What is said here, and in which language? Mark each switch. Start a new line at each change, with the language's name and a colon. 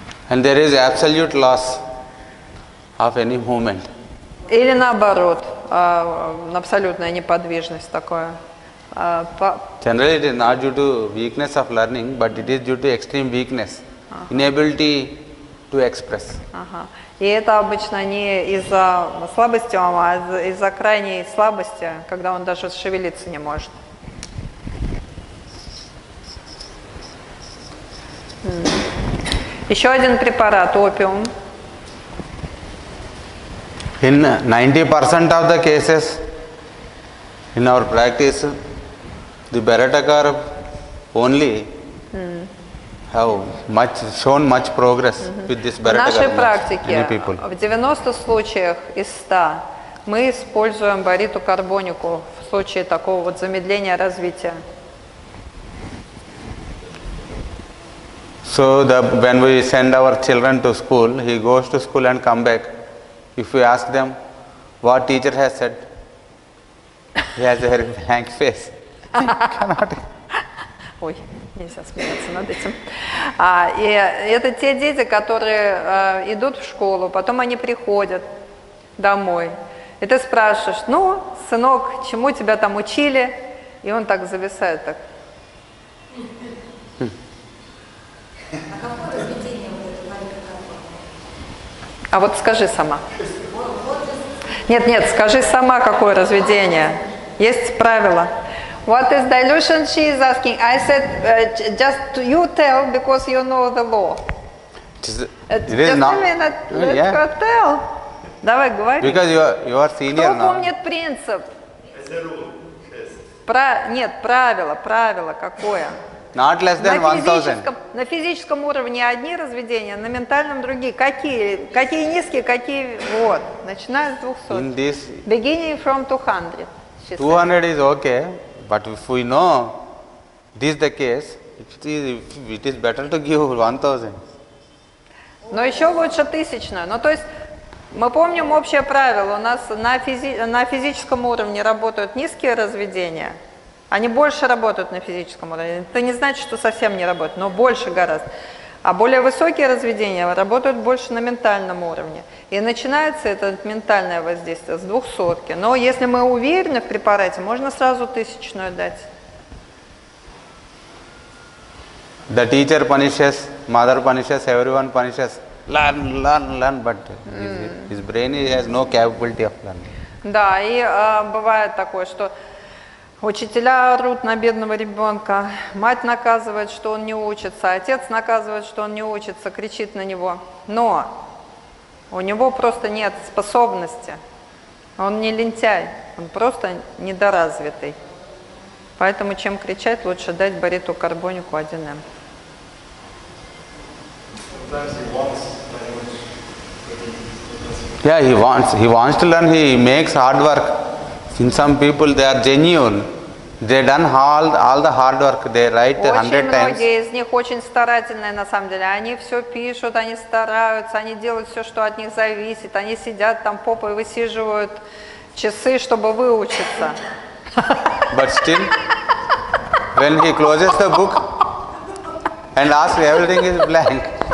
English: And there is absolute loss of any movement.
Russian: Или наоборот, абсолютная неподвижность такое.
English: Generally it is not due to weakness of learning, but it is due to extreme weakness, inability to express.
Russian: И это обычно не из-за слабости ума, а из-за крайней слабости, когда он даже шевелиться не может. Еще один препарат опиум.
English: In 90% of the cases in our practice, the Beretta carb only have shown much progress with this Beretta carb.
Russian: В нашей практике в 90 случаях из 100 мы используем Beretta карбонику в случае такого вот замедления развития.
English: So the when we send our children to school, he goes to school and come back. If we ask them what teacher has said, he has a very blank face. He cannot.
Russian: Ой, нельзя смеяться над этим. И это те дети, которые идут в школу, потом они приходят домой. И ты спрашиваешь: ну, сынок, чему тебя там учили? И он так зависает так. А вот скажи сама. Нет, нет, скажи сама, какое разведение. Есть правило.
English: What is dilution she is asking? I said, just you tell, because you know the law. Just a minute, let her tell.
Russian: Давай, говори.
English: Because you are senior now.
Russian: Кто помнит принцип? Нет, правило какое?
English: Not less than 1000.
Russian: На физическом уровне одни разведения, на ментальном другие. Какие низкие, какие... Вот. Начиная с 200.
English: In this, beginning from 200. 200 is okay, but if we know this the case, it is better to give 1000.
Russian: Но еще лучше тысячную. Ну, то есть, мы помним общее правило. У нас на физическом уровне работают низкие разведения. Они больше работают на физическом уровне. Это не значит, что совсем не работают, но больше гораздо. А более высокие разведения работают больше на ментальном уровне. И начинается это ментальное воздействие с 200. Но если мы уверены в препарате, можно сразу тысячную дать.
English: The teacher punishes, mother punishes, everyone punishes. Learn, but his brain has no capability of learning.
Russian: Да, и бывает такое, что Учителя орут на бедного ребенка, мать наказывает, что он не учится, отец наказывает, что он не учится, кричит на него. Но у него просто нет способности, он не лентяй, он просто недоразвитый. Поэтому, чем кричать, лучше дать бариту карбонику 1М.
English: Yeah, he wants to learn, he makes hard work. In some people, they are genuine. They done all the hard work, they write 100 times.
Russian: Очень многие из них очень старательные на самом деле. Они все пишут, они стараются, они делают все, что от них зависит. Они сидят там попой, высиживают часы, чтобы выучиться.
English: But still, when he closes the book and asks, everything is blank.